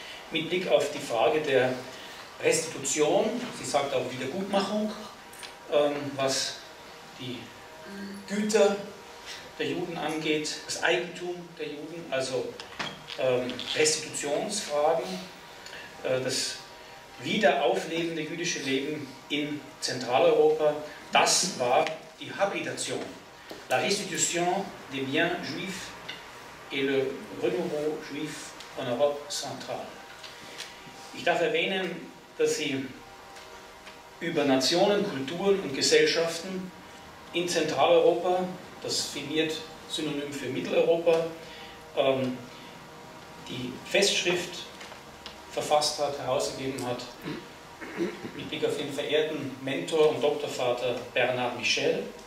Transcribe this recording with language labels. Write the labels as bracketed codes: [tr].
[de] mit Blick auf die Frage der Restitution, sie sagt auch Wiedergutmachung, was die Güter der Juden angeht, das Eigentum der Juden, also Restitutionsfragen, das Wiederaufleben der jüdischen Leben in Zentraleuropa, das war die Habilitation. [fr] La restitution des biens juifs et le renouveau juif en Europe centrale. [de] Ich darf erwähnen, dass sie über Nationen, Kulturen und Gesellschaften in Zentraleuropa, das firmiert Synonym für Mitteleuropa, die Festschrift verfasst hat, herausgegeben hat, mit Blick auf den verehrten Mentor und Doktorvater Bernard Michel.